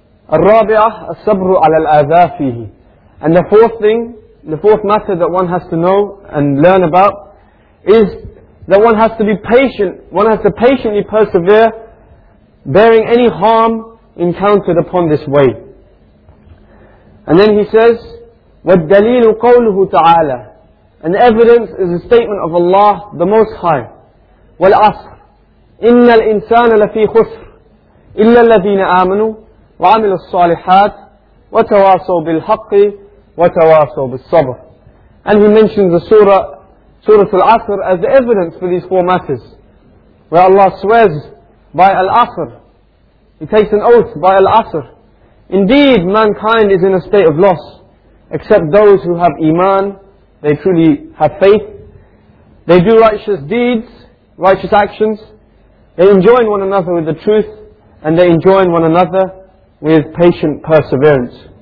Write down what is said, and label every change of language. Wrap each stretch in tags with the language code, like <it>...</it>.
<ar>Al-rabi'ah, as-sabru ala al-adha fihi,</ar> <en>and the fourth thing, the fourth matter that one has to know and learn about, is that one has to be patient, one has to patiently persevere, bearing any harm encountered upon this way. And then he says,</en> <ar>وَالدَّلِيلُ قَوْلُهُ تَعَالَى,</ar> <en>and the evidence is the statement of Allah, the Most High. وَالْعَصْرِ,</en> <ar>إن الإنسان لفي خسر إلا الذين آمنوا وعملوا الصالحات وتواصوا بالحق وتواصوا بالصبر.</ar> <en>And he mentions the Surah Al-Asr as the evidence for these four matters, where Allah swears by Al-Asr. He takes an oath by Al-Asr. Indeed, mankind is in a state of loss, except those who have iman, they truly have faith, they do righteous deeds, righteous actions, they enjoin one another with the truth, and they enjoin one another with patient perseverance.</en>